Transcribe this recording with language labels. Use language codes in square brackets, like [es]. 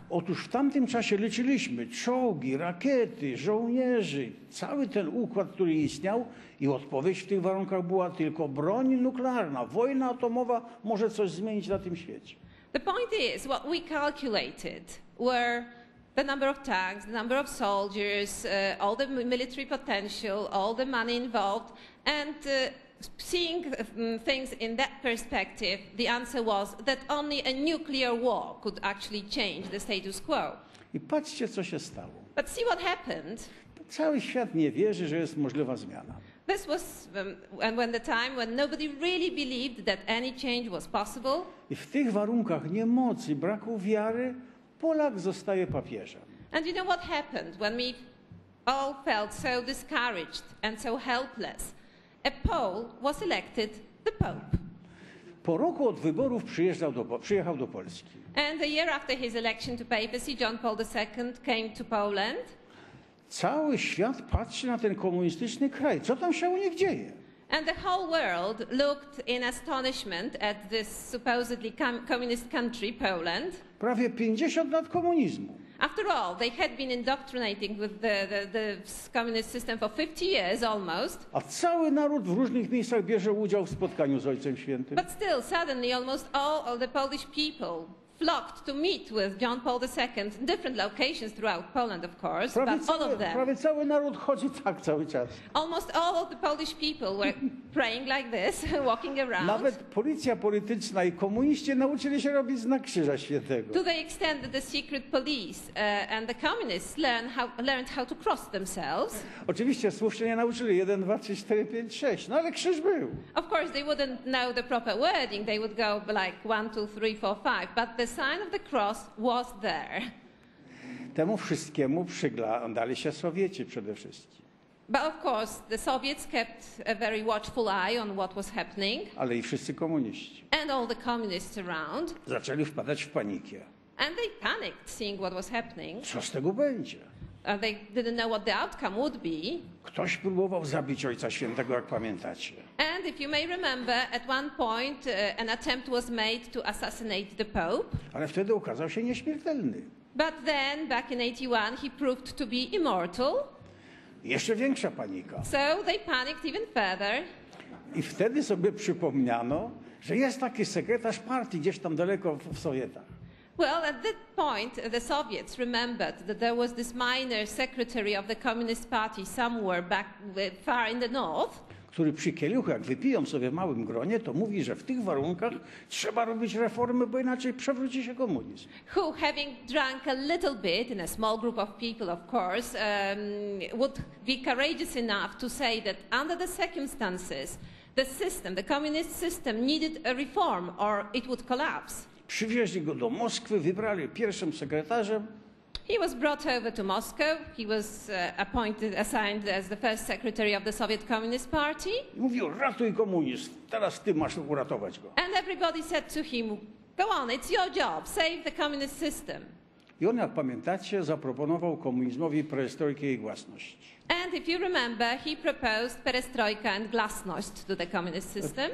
[pl] Otóż w tamtym czasie liczyliśmy czołgi, rakiety, żołnierzy, cały ten układ, który istniał, i odpowiedź w tych warunkach była tylko broń nuklearna, wojna atomowa może coś zmienić na tym świecie. [en] The point is, what we calculated were the number of tanks, the number of soldiers, all the military potential, all the money involved, and seeing things in that perspective, the answer was that only a nuclear war could actually change the status quo. [pl] I patrzcie, co się stało. [en] But see what happened. [pl] Cały świat nie wierzy, że jest możliwa zmiana. [en] This was when the time when nobody really believed that any change was possible. [pl] I w tych warunkach niemocy, braku wiary, Polak zostaje papieżem. [en] And you know what happened when we all felt so discouraged and so helpless? A Pole was elected the Pope. [pl] Po roku od wyborów przyjechał do Polski. [en] And a year after his election to papacy, John Paul II came to Poland. [pl] Cały świat patrzy na ten komunistyczny kraj. Co tam się u nich dzieje? [en] And the whole world looked in astonishment at this supposedly communist country, Poland. [pl] Prawie 50 lat komunizmu. [en] After all, they had been indoctrinating with the communist system for 50 years almost. [pl] A cały naród w różnych miejscach bierze udział w spotkaniu z Ojcem Świętym. [en] But still, suddenly, almost all the Polish people flocked to meet with John Paul II in different locations throughout Poland, of course, [pl] prawie [en] but all of them. [pl] Prawie cały naród chodzi tak cały czas. [en] Almost all of the Polish people were praying like this, walking around. [pl] Nawet policja polityczna i komuniści nauczyli się robić znak Krzyża Świętego. [en] To the extent that the secret police and the communists learned how to cross themselves. [pl] Oczywiście słów się nie nauczyli, 1, 2, 3, 4, 5, 6, no ale krzyż był. [en] Of course, they wouldn't know the proper wording, they would go like 1, 2, 3, 4, 5, but the sign of the cross was there. [pl] Temu wszystkiemu przyglądali się Sowieci przede wszystkim. [en] But of course, the Soviets kept a very watchful eye on what was happening. [pl] Ale i wszyscy komuniści. [en] And all the communists around. [pl] Zaczęli wpadać w panikę. [en] And they panicked seeing what was happening. [pl] Co z tego będzie? [en] They didn't know what the outcome would be. [pl] Ktoś próbował zabić Ojca Świętego, jak pamiętacie. [en] And if you may remember, at one point an attempt was made to assassinate the Pope. [pl] Ale wtedy okazał się nieśmiertelny. [en] But then, back in 81, he proved to be immortal. [pl] Jeszcze większa panika. [en] So they panicked even further. [pl] I wtedy sobie przypomniano, że jest taki sekretarz partii gdzieś tam daleko w Sowietach. [en] Well, at that point, the Soviets remembered that there was this minor secretary of the Communist Party somewhere back far in the north. [pl] Który przy kieliuchu, jak wypiją sobie w małym gronie, to mówi, że w tych warunkach trzeba robić reformy, bo inaczej przewróci się komunizm. [en] Who, having drunk a little bit in a small group of people, of course, would be courageous enough to say that under the circumstances, the system, the communist system, needed a reform or it would collapse. [pl] Przywieźli go do Moskwy, wybrali pierwszym sekretarzem. [en] He was brought over to Moscow. He was assigned as the first secretary of the Soviet Communist Party. [pl] I mówił, ratuj komunizm, teraz ty masz uratować go. [en] And everybody said to him, go on, it's your job, save the communist system. [pl] I on, jak pamiętacie, zaproponował komunizmowi perestrojkę i głasność. [en] And if you remember, he proposed perestrojka and glasnost to the communist system.